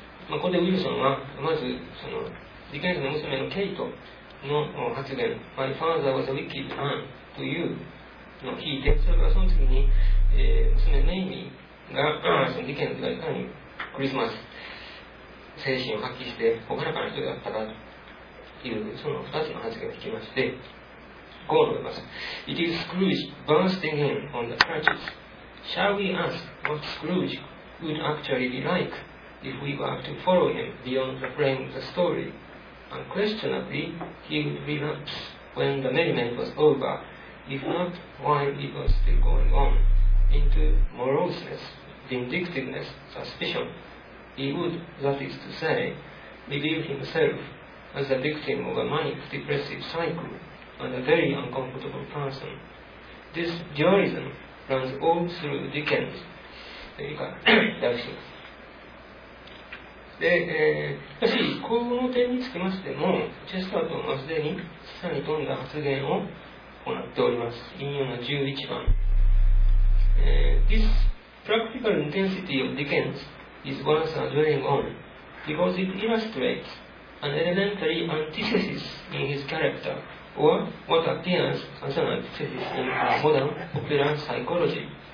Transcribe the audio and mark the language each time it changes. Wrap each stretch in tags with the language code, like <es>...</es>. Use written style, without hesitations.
<ja>ここでウィルソンは、まずその、ディケンズの娘のケイトの発言、</ja> <en>My father was a wicked man</en> <ja>というのを聞いて、それからその次に、娘のエイミーが、ディケンズがいかにクリスマス精神を発揮して、ほかなかの人だったかという、その2つの発言を聞きまして、こう述べます。</ja> <en>It is Scrooge bursting in on the churches. Shall we ask what Scrooge would actually be like if we were to follow him beyond the frame of the story? Unquestionably, he would relapse when the merriment was over, if not while it was still going on, into moroseness, vindictiveness, suspicion. He would, that is to say, reveal himself as a victim of a manic depressive cycle and a very uncomfortable person. This dualism runs all through Dickens. There you go. That's it.</en> <ja>で、しかし、この点につきましても、チェスタートンはすでに示唆に富んだ発言を行っております。引用の11番。</ja> <en>This practical intensity of Dickens is worth dwelling on because it illustrates an elementary antithesis in his character or what appears as an antithesis in modern popular psychology.</en>